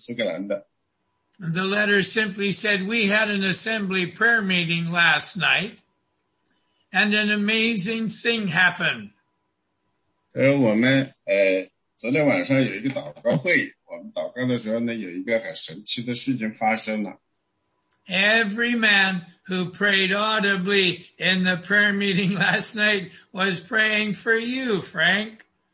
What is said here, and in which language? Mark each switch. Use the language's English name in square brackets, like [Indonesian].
[English] And the letter simply said, "We had an assembly prayer meeting last night, and an amazing thing happened." [Chinese] 而我们昨天晚上有一个祷告会，我们祷告的时候呢，有一个很神奇的事情发生了。 [English] Every man who prayed audibly in the prayer meeting last night was praying for you, Frank.